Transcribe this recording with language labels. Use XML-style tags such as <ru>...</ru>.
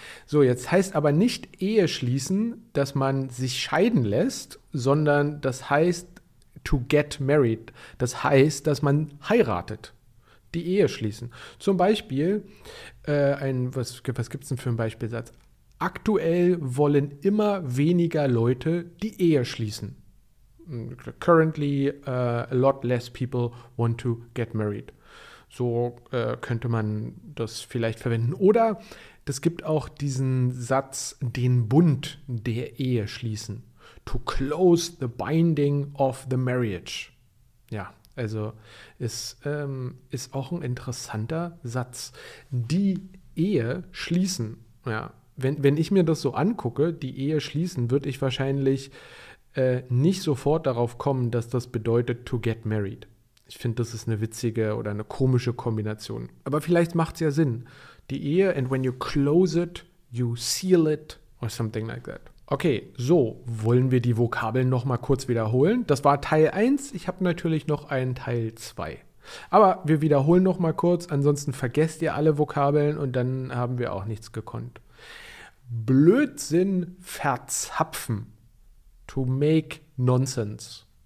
<de>So, jetzt heißt aber nicht Ehe schließen, dass man sich scheiden lässt, sondern das heißt</de> <en>to get married.</en> <de>Das heißt, dass man heiratet. Die Ehe schließen. Zum Beispiel, was gibt es denn für einen Beispielsatz? Aktuell wollen immer weniger Leute die Ehe schließen.</de> <en>Currently, a lot less people want to get married.</en> <de>So könnte man das vielleicht verwenden. Oder es gibt auch diesen Satz, den Bund der Ehe schließen.</de> <en>To close the binding of the marriage.</en> <de>Ja, also ist auch ein interessanter Satz. Die Ehe schließen. Ja, wenn ich mir das so angucke, die Ehe schließen, würde ich wahrscheinlich nicht sofort darauf kommen, dass das bedeutet</de> <en>to get married.</en> <de>Ich finde, das ist eine witzige oder eine komische Kombination. Aber vielleicht macht es ja Sinn. Die Ehe,</de> <en>and when you close it, you seal it or something like that.</en> <de>Okay, so, wollen wir die Vokabeln nochmal kurz wiederholen? Das war Teil 1, ich habe natürlich noch einen Teil 2. Aber wir wiederholen nochmal kurz, ansonsten vergesst ihr alle Vokabeln und dann haben wir auch nichts gekonnt. Blödsinn verzapfen.</de> <en>To make nonsense.</en>